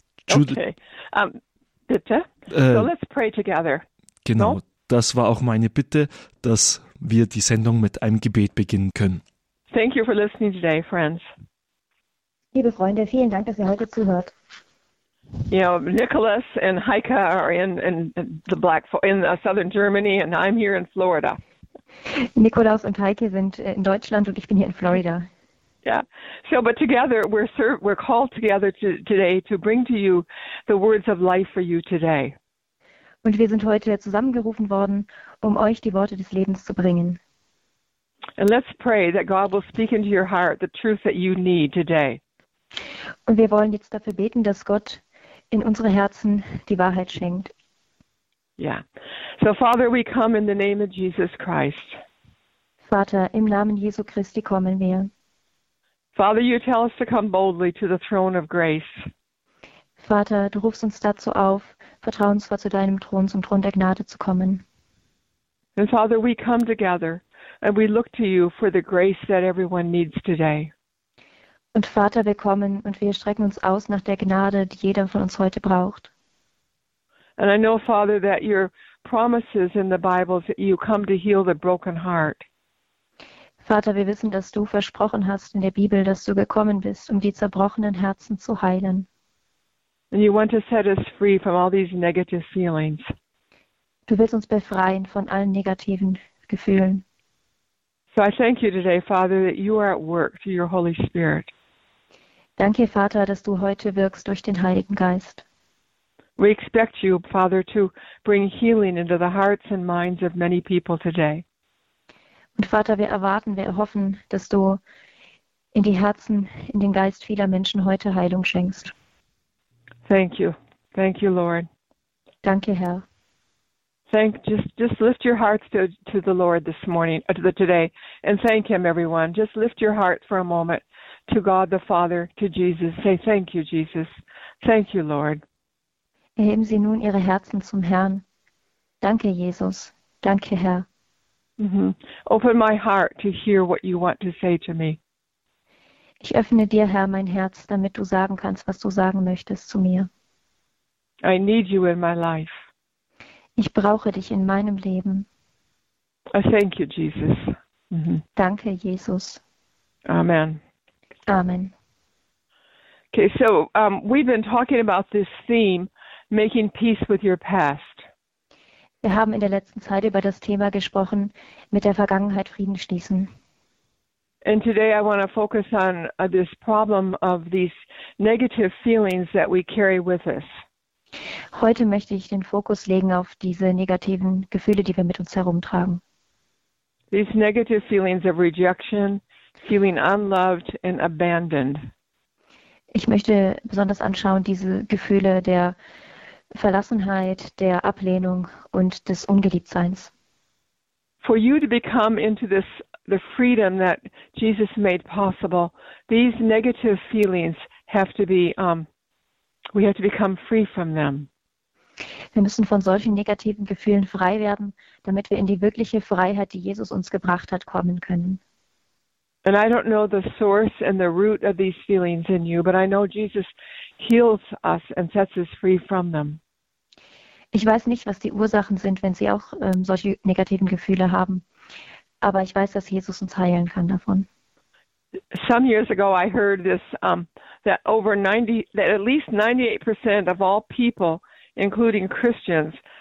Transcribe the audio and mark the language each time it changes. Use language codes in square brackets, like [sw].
[en] Okay, bitte. So let's pray together. [de] Genau, no? Das war auch meine Bitte, dass wir die Sendung mit einem Gebet beginnen können. [en] Thank you for listening today, friends. [de] Liebe Freunde, vielen Dank, dass ihr heute zuhört. [en] You know, Nicholas and Heike are in southern Germany, and I'm here in Florida. [de] Nikolaus und Heike sind in Deutschland und ich bin hier in Florida. [en] Yeah. So, but together we're called together today to bring to you the words of life for you today. [de] Und wir sind heute zusammengerufen worden, um euch die Worte des Lebens zu bringen. [en] And let's pray that God will speak into your heart the truth that you need today. [de] Und wir wollen jetzt dafür beten, dass Gott in unsere Herzen die Wahrheit schenkt. [en] Yeah. So, Father, we come in the name of Jesus Christ. [de] Vater, im Namen Jesu Christi kommen wir. [en] Father, you tell us to come boldly to the throne of grace. [de] Vater, du rufst uns dazu auf, vertrauensvoll zu deinem Thron, zum Thron der Gnade zu kommen. [en] And Father, we come together and we look to you for the grace that everyone needs today. [de] Und Vater, wir kommen und wir strecken uns aus nach der Gnade, die jeder von uns heute braucht. [en] And I know, Father, that your promises in the Bible that you come to heal the broken heart. [de] Vater, wir wissen, dass du versprochen hast in der Bibel, dass du gekommen bist, um die zerbrochenen Herzen zu heilen. [en] And you want to set us free from all these negative feelings. [de] Du willst uns befreien von allen negativen Gefühlen. [en] So I thank you today, Father, that you are at work through your Holy Spirit. [de] Danke, Vater, dass du heute wirkst durch den Heiligen Geist. [en] We expect you, Father, to bring healing into the hearts and minds of many people today. [de] Und Vater, wir erwarten, wir erhoffen, dass du in die Herzen, in den Geist vieler Menschen heute Heilung schenkst. [en] Thank you. Thank you, Lord. [de] Danke, Herr. [en] Thank, just lift your hearts to the Lord this morning, today, and thank him, everyone. Just lift your heart for a moment to God the Father, to Jesus. Say thank you, Jesus. Thank you, Lord. [de] Erheben Sie nun Ihre Herzen zum Herrn. Danke, Jesus. Danke, Herr. Mm-hmm. [en] Open my heart to hear what you want to say to me. [de] Ich öffne dir, Herr, mein Herz, damit du sagen kannst, was du sagen möchtest zu mir. [en] I need you in my life. [de] Ich brauche dich in meinem Leben. [en] I thank you, Jesus. [de] Mm-hmm. Danke, Jesus. Amen. Amen. [en] Okay, so we've been talking about this theme, making peace with your past. [de] Wir haben in der letzten Zeit über das Thema gesprochen, mit der Vergangenheit Frieden schließen. [en] And today I want to focus on this problem of these negative feelings that we carry with us. [de] Heute möchte ich den Fokus legen auf diese negativen Gefühle, die wir mit uns herumtragen. [en] These negative feelings of rejection, feeling unloved and abandoned. [de] Ich möchte besonders anschauen diese Gefühle der Verlassenheit, der Ablehnung und des Ungeliebtseins. [en] For you to become into this, the freedom that Jesus made possible, these negative feelings have to be, we have to become free from them. [de] Wir müssen von solchen negativen Gefühlen frei werden, damit wir in die wirkliche Freiheit, die Jesus uns gebracht hat, kommen können. [en] And I don't know the source and the root of these feelings in you, but I know Jesus heals us and sets us free from them. [de] Ich weiß nicht, was die Ursachen sind, wenn Sie auch solche negativen Gefühle haben, aber ich weiß, dass Jesus uns heilen kann davon. [en] Some years ago I heard this that at least 98% of all people, including Christians,